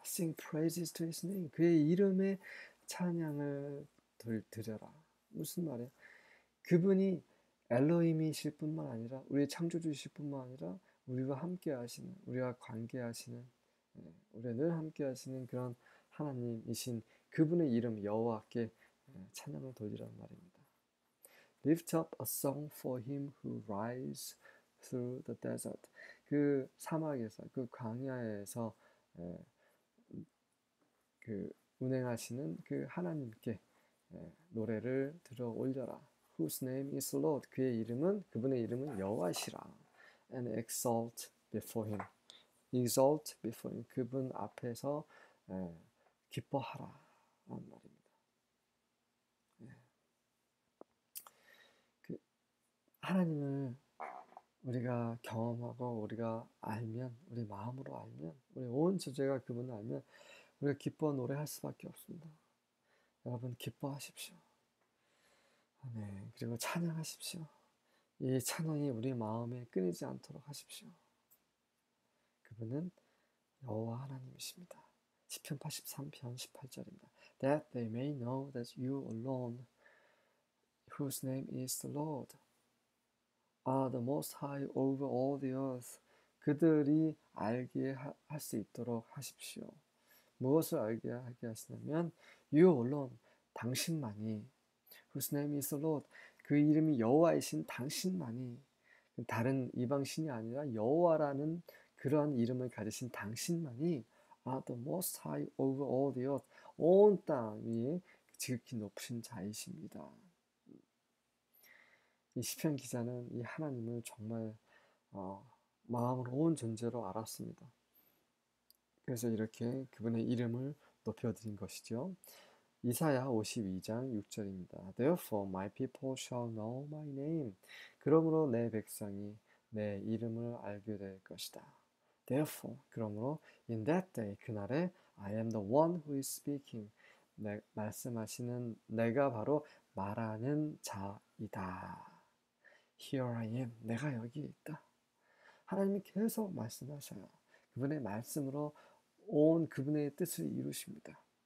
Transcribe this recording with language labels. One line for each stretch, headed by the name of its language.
English: Sing praises to His name,
Korean: 그의 이름에 찬양을 드려라. 무슨 말이야? 그분이 엘로힘이실 뿐만 아니라 우리의 창조주이실 뿐만 아니라 우리와 함께 하시는, 우리와 관계 하시는, 우리와 늘 함께 하시는 그런 하나님이신 그분의 이름 여호와께 찬양을 돌리라는 말입니다.
English: Lift up a song for him who rides through the desert.
Korean: 그 사막에서, 그 광야에서 그 운행하시는 그 하나님께 노래를 들어 올려라.
English: Whose name is Lord?
Korean: 그의 이름은, 그분의 이름은 여호와시라.
English: And exalt before him. Exalt before him.
Korean: 그분 앞에서 기뻐하라. 라는 말입니다. 하나님을 우리가 경험하고 우리가 알면, 우리 마음으로 알면, 우리 온 주제가 그분을 알면 우리가 기뻐 노래할 수밖에 없습니다. 여러분 기뻐하십시오. 네, 그리고 찬양하십시오. 이 찬양이 우리 마음에 끊이지 않도록 하십시오. 그분은 여호와 하나님이십니다. 시편 83편 18절입니다.
English: That they may know that you alone, whose name is the Lord, are the most high over all the earth.
Korean: 그들이 알게 할수 있도록 하십시오. 무엇을 알게 하게 하시냐면,
English: You alone,
Korean: 당신만이,
English: whose name is the Lord,
Korean: 그 이름이 여호와이신 당신만이, 다른 이방신이 아니라 여호와라는 그러한 이름을 가지신 당신만이,
English: are the most high over all the earth.
Korean: 온땅 위에 지극히 높으신 자이십니다. 이 시편 기자는 이 하나님을 정말 마음으로 온 존재로 알았습니다. 그래서 이렇게 그분의 이름을 높여드린 것이죠. 이사야 52장 6절입니다.
English: Therefore my people shall know my name.
Korean: 그러므로 내 백성이 내 이름을 알게 될 것이다.
English: Therefore,
Korean: 그러므로
English: in that day,
Korean: 그날에
English: I am the one who is speaking.
Korean: 내, 말씀하시는 내가 바로 말하는 자이다.
English: Here I am.
Korean: 내가 여기 있다. 하나님이 계속 말씀하셔요. 그분의 말씀으로 온 그분의 뜻을 이루십니다.